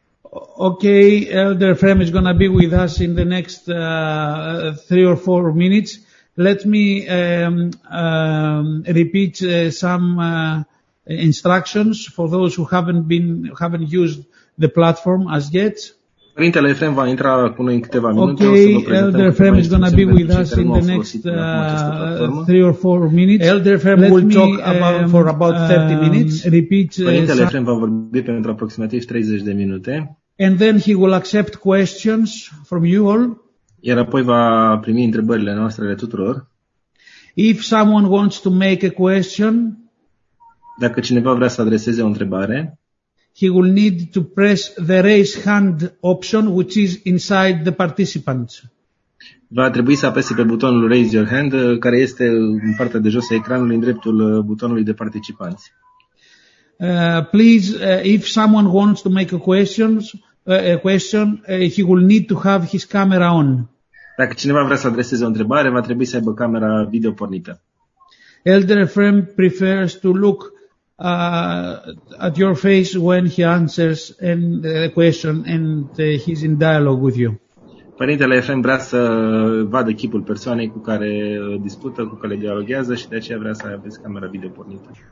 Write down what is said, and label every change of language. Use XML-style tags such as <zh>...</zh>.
<en>Okay, Elder Frem is going to be with us in the next 3 or 4 minutes. Let me repeat some instructions for those who haven't used the platform as yet.</en> <ro>Părintele Efrem va intra acum în câteva minute.</ro> <en>Okay, Elder Frem is going to be with us in the next 3 or 4 minutes. Elder Frem will talk for about 30 minutes. Repeat.</en> <ro>Părintele Efrem va vorbi pentru aproximativ 30 de minute.</ro> <en>And then he will accept questions from you all.</en> <ro>Iar apoi va primi întrebările noastre ale tuturor.</ro> <en>If someone wants to make a question,</en> <ro>dacă cineva vrea să adreseze o întrebare,</ro> <en>he will need to press the raise hand option, which is inside the participants.</en> <ro>Va trebui să apese pe butonul raise your hand, care este în partea de jos a ecranului, în dreptul butonului de participanți.</ro> <en>Please, if someone wants to make a question, he will need to have his camera on.</en> <ro>Dacă cineva vrea să adreseze o întrebare, va trebui să aibă camera video pornită.</ro> <en>Elder Ephraim prefers to look at your face when he answers a question and he's in dialogue with you.</en> <ro>Părintele Ephraim vrea să vadă chipul persoanei cu care dispută, cu care dialoghează și de aceea vrea să aveți camera video pornită.</ro>